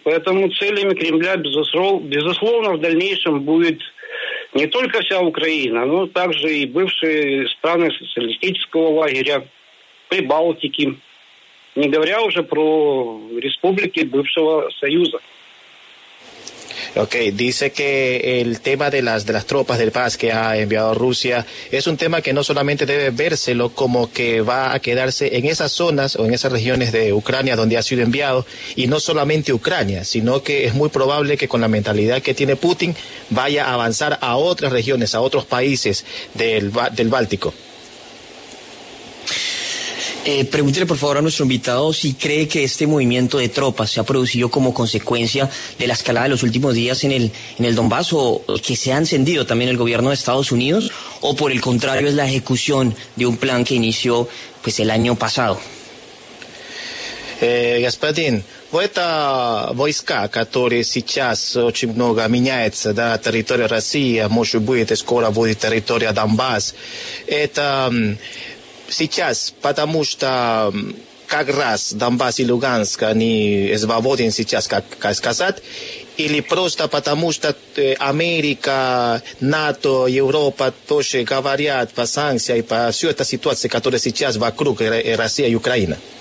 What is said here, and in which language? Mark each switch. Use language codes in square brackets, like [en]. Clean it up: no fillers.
[ru] Поэтому целями Кремля, безусловно, в дальнейшем будет не только вся Украина, но также и бывшие страны социалистического лагеря, Прибалтики, не говоря уже про республики бывшего Союза. [es] Okay, dice que el tema de las tropas de paz que ha enviado Rusia es un tema que no solamente debe vérselo como que va a quedarse en esas zonas o en esas regiones de Ucrania donde ha sido enviado, y no solamente Ucrania, sino que es muy probable que con la mentalidad que tiene Putin vaya a avanzar a otras regiones, a otros países del Báltico. Pregúntele por favor a nuestro invitado si cree que este movimiento de tropas se ha producido como consecuencia de la escalada de los últimos días en el Donbass, o que se ha encendido también el gobierno de Estados Unidos, o por el contrario es la ejecución de un plan que inició pues el año pasado. [ru] Господин, это войска, которые сейчас очень много меняются, да, территория России, может быть, скоро будет территория Донбасс. Это сейчас, потому что как раз Донбасс и Луганск, они свободен сейчас, как сказать, или просто потому что Америка, НАТО, Европа тоже говорят по санкциям и по всей этой ситуации, которая сейчас вокруг России и Украины?